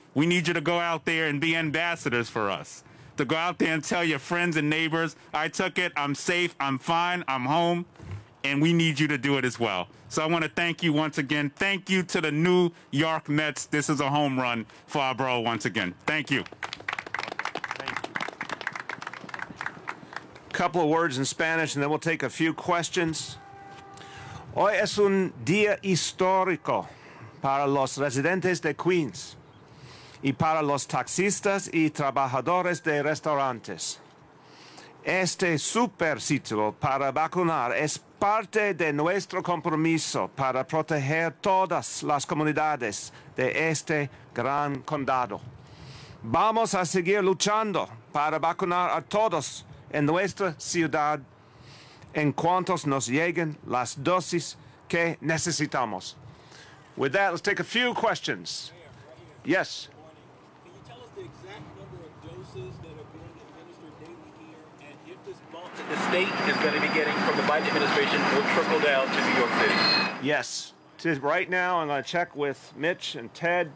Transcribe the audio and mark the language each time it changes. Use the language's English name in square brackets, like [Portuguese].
[English] We need you to go out there and be ambassadors for us, to go out there and tell your friends and neighbors, I took it, I'm safe, I'm fine, I'm home, and we need you to do it as well. So I want to thank you once again. Thank you to the New York Mets. This is a home run for our borough once again. Thank you. Couple of words in Spanish, and then we'll take a few questions. [Spanish] Hoy es un día histórico para los residentes de Queens y para los taxistas y trabajadores de restaurantes. Este super sitio para vacunar es parte de nuestro compromiso para proteger todas las comunidades de este gran condado. Vamos a seguir luchando para vacunar a todos en nuestra ciudad, en cuantos nos lleguen las dosis que necesitamos. [English] With that, let's take a few questions. Yes. Can you tell us the exact number of doses that are being administered daily here, and if this bulk that the state is going to be getting from the Biden administration will trickle down to New York City? Yes. Right now, I'm going to check with Mitch and Ted.